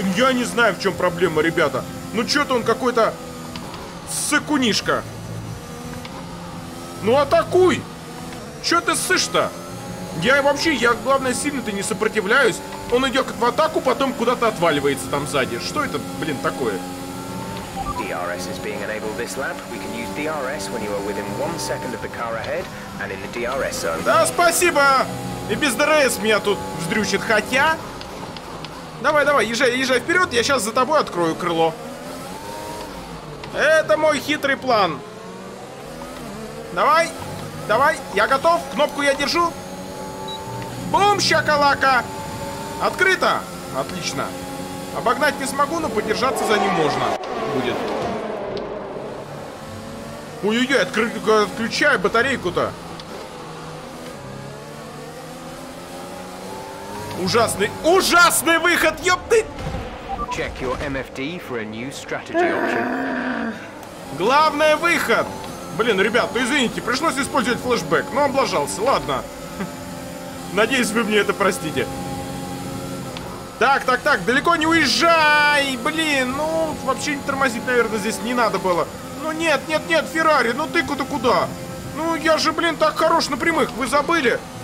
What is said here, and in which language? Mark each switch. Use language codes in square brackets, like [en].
[ru] Я не знаю, в чем проблема, ребята. Ну че-то он какой-то... Сыкунишка. Ну атакуй! Че ты ссышь-то? Я вообще, я главное сильно-то не сопротивляюсь. Он идет в атаку, потом куда-то отваливается там сзади. Что это, блин, такое? [en] DRS is being enabled this lap. We can use DRS when you are within 1 second of the car ahead and in the DRS zone. [ru] Да, спасибо! И без ДРС меня тут вздрючит, хотя... Давай, давай, езжай, езжай вперед, я сейчас за тобой открою крыло. Это мой хитрый план. Давай, давай, я готов, кнопку я держу. Бум, щакалака! Открыто! Отлично. Обогнать не смогу, но подержаться за ним можно. Будет. Ой-ой-ой, отключаю батарейку-то. Ужасный, ужасный выход, ёпты! [en] Check your MFD for a new strategy option. [ru] Главное, выход! Блин, ребят, ну извините, пришлось использовать флешбэк, но облажался, ладно. Надеюсь, вы мне это простите. Так, так, так, далеко не уезжай! Блин, ну, вообще не тормозить, наверное, здесь не надо было. Ну нет, нет, нет, Феррари, ну ты куда, куда? Ну я же, блин, так хорош на прямых, вы забыли?